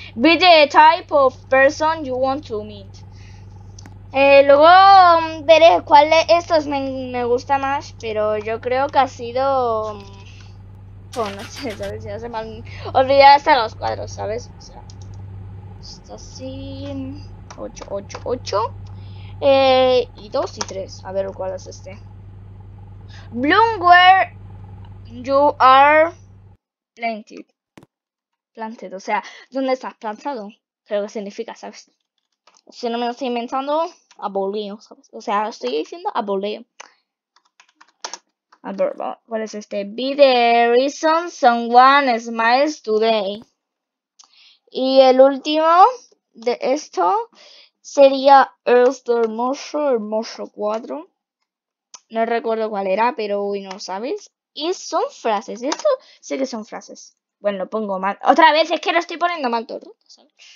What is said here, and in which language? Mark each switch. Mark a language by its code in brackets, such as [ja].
[en] Be the type of person you want to meet. [es] Luego veré cuál de estos me gusta más, pero yo creo que ha sido. Oh, no sé, ¿sabes? Ya se me han olvidado hasta los cuadros, ¿sabes? O sea, está así. 8, 8, 8. Y 2 y 3. A ver cuál es este. [en] Bloom where you are planted. [es] Planted, o sea, ¿dónde estás plantado? Creo que significa, ¿sabes? Si no me lo estoy inventando, aboleo, ¿sabes? O sea, estoy diciendo aboleo. A ver, ¿cuál es este? [en] Be the reason someone smiles today. [es] Y el último de esto sería este hermoso, hermoso cuadro. No recuerdo cuál era, pero hoy no, ¿sabes? Y son frases, esto sí que son frases. Bueno, lo pongo mal. Otra vez, es que lo estoy poniendo mal todo, ¿sabes?